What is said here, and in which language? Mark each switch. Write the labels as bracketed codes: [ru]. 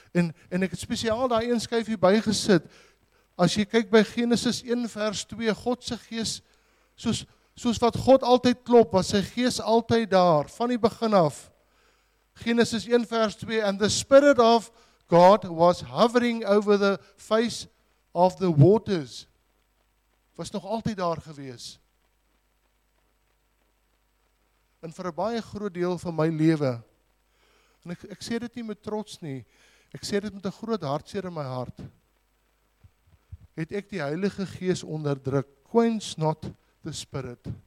[af] En ek het spesiaal daai een skyfie bygesit. As jy kyk by Genesis 1 vers 2, God se gees, soos wat God altyd klop, was sy gees altyd daar, van die begin af. [en] Genesis 1 vers 2, and the spirit of God was hovering over the face of the waters. [af] Was nog altyd daar gewees. En vir 'n baie groot deel van my lewe, en ek sê dit nie met trots nie, ek sê dit met 'n groot hartseer in my hart, het ek die Heilige Gees onderdruk, [en] quench not the Spirit.